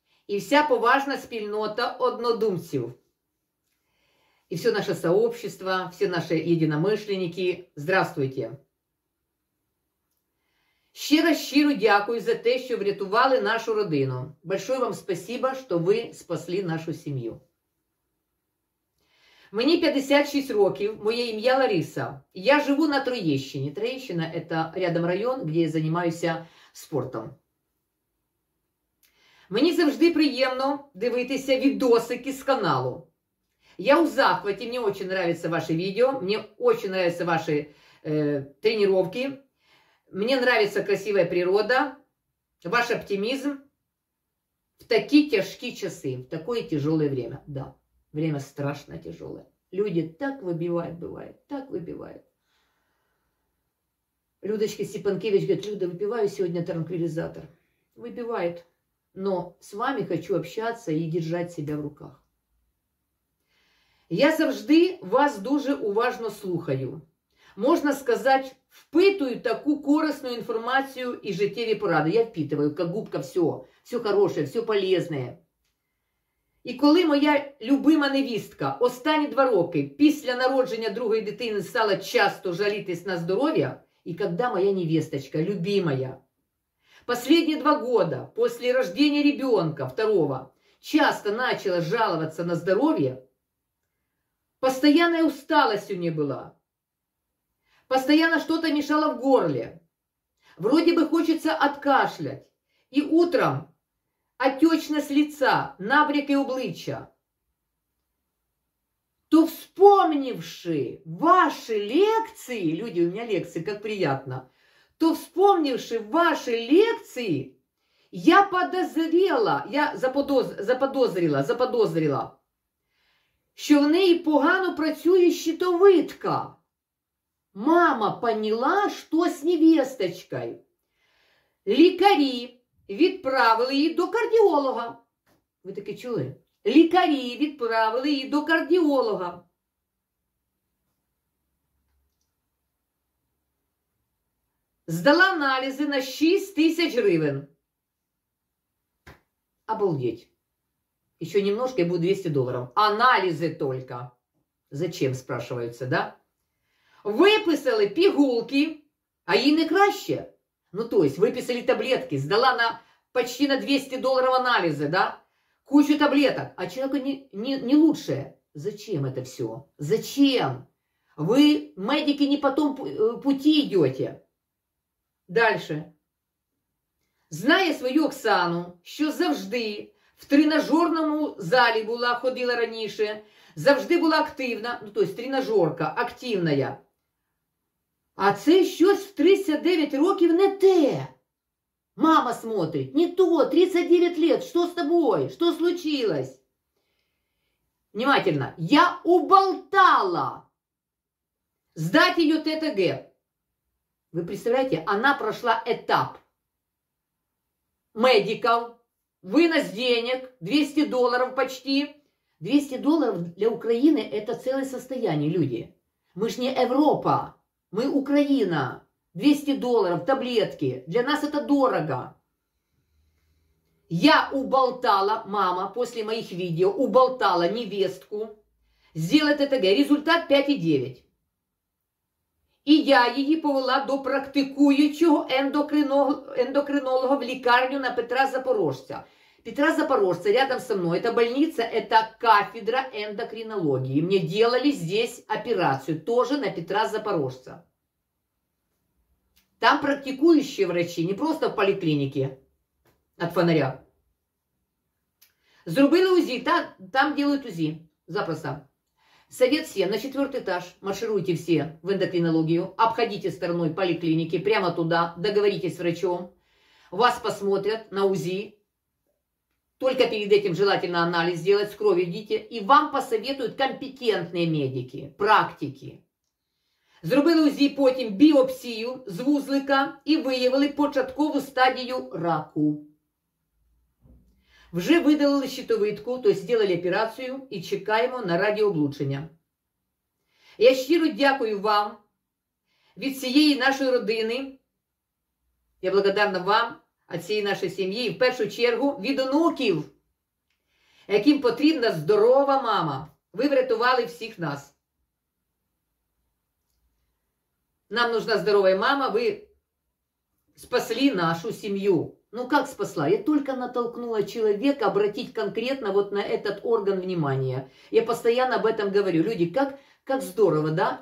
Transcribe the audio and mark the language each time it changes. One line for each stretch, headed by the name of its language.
Ukrainian: И вся поважна спільнота однодумців.
Russian: И все наше сообщество, все наши единомышленники. Здравствуйте.
Ukrainian: Ще раз щиро дякую за те, що врятували нашу родину.
Russian: Большое вам спасибо, что вы спасли нашу семью.
Ukrainian: Мені 56 років, моє ім'я Лариса. Я живу на Троєщині.
Russian: Троєщина – это рядом район, где я занимаюся спортом.
Ukrainian: Мені завжди приємно дивитися відосики з каналу. Я у захваті, мені дуже подобаються ваші відео, мені дуже подобаються ваші тренування.
Russian: Мне нравится красивая природа, ваш оптимизм в такие тяжкие часы, в такое тяжелое время. Да, время страшно тяжелое. Люди так выбивают, бывает, так выбивают. Людочка Степанкевич говорит, Люда, выпиваю сегодня транквилизатор. Выпивает. Но с вами хочу общаться и держать себя в руках.
Ukrainian: Я завжди вас дуже уважно слухаю.
Russian: Можно сказать, впитую
Ukrainian: таку корисну інформацію і життєві поради.
Russian: Я впитываю, как губка, все хорошее, все полезное.
Ukrainian: І коли моя любима невістка останні 2 роки після народження другої дитини стала часто жалітись на здоров'я, і коли моя невісточка, любимая, последні 2 года після
Russian: рождения ребенка второго, часто начала жаловаться
Ukrainian: на здоров'я,
Russian: постоянная усталость
Ukrainian: у неї була.
Russian: Постоянно что-то мешало в горле. Вроде бы хочется откашлять. И утром отечность лица, набрек и обличчя. То вспомнивши ваши лекции, люди, у меня лекции, как приятно. То вспомнивши ваши лекции, я подозрела, я заподозрила, что в ней
Ukrainian: погано працює щитовидка.
Russian: Мама поняла, что с невесточкой.
Ukrainian: Лікарі відправили її до кардіолога. Ви таке чули? Лікарі відправили її до кардіолога. Здала аналізи на 6000 гривень.
Russian: Обалдеть. Ещё немножко
Ukrainian: і буде
Russian: $200.
Ukrainian: Аналізи тільки.
Russian: Зачем, спрашиваються, да?
Ukrainian: Виписали пігулки, а їй не краще. Ну, тобто, виписали таблетки, здала на
Russian: почти на
Ukrainian: $200 аналізи, да? Кучу таблеток, а чоловіку
Russian: не лучше. Зачем
Ukrainian: це все?
Russian: Зачем? Ви, медики, не по тому пути йдете. Дальше.
Ukrainian: Знає свою Оксану, що завжди в тренажерному залі була, ходила раніше, завжди була активна, ну, тобто, тренажерка активна. А це щось в 39 років не те.
Russian: Мама смотрить, не то, 39 лет, что с тобой, что случилось? Внимательно, я уболтала сдать ее ТТГ. Вы представляете, она прошла этап медиков, вынос денег, $200 почти. $200 для Украины это целое состояние, люди. Мы ж не Европа. Мы Украина, $200, таблетки, для нас это дорого. Я уболтала, мама после моих видео уболтала невестку сделать ЭТГ. Результат 5,9.
Ukrainian: И я її повела до практикуючого ендокринолога в лікарню на Петра Запорожця.
Russian: Петра Запорожця рядом со мной. Это больница, это кафедра эндокринологии. Мне делали здесь операцию, тоже на Петра Запорожця. Там практикующие врачи, не просто в поликлинике от фонаря.
Ukrainian: Зробили УЗИ,
Russian: там делают УЗИ, запросто. Совет всем, на 4-й этаж маршируйте все в эндокринологию, обходите стороной поликлиники, прямо туда, договоритесь с врачом. Вас посмотрят на УЗИ. Только перед этим желательно анализ сделать, с кровью идите. И вам посоветуют компетентные медики, практики.
Ukrainian: Зробили УЗИ, потім біопсію з вузлика і виявили початкову стадію раку. Вже видалили щитовидку,
Russian: то есть сделали
Ukrainian: операцію і чекаємо на радіооблучення. Я щиро дякую вам від всієї нашої родини.
Russian: Я благодарна вам,
Ukrainian: від всієї нашої сім'ї, і в першу чергу від онуків, яким потрібна здорова мама. Ви врятували всіх нас.
Russian: Нам нужна здоровая мама, вы спасли нашу семью. Ну как спасла? Я только натолкнула человека обратить конкретно вот на этот орган внимания. Я постоянно об этом говорю. Люди, как здорово, да?